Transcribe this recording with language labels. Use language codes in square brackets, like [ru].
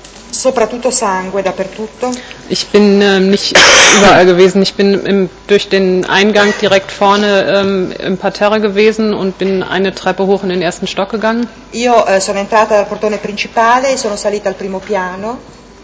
[it] Soprattutto sangue dappertutto. [de] Ich bin nicht überall gewesen. Ich bin durch den Eingang direkt vorne im Parterre gewesen und bin eine Treppe hoch in den ersten Stock gegangen. [it] Io sono entrata dal portone principale e sono salita al primo piano.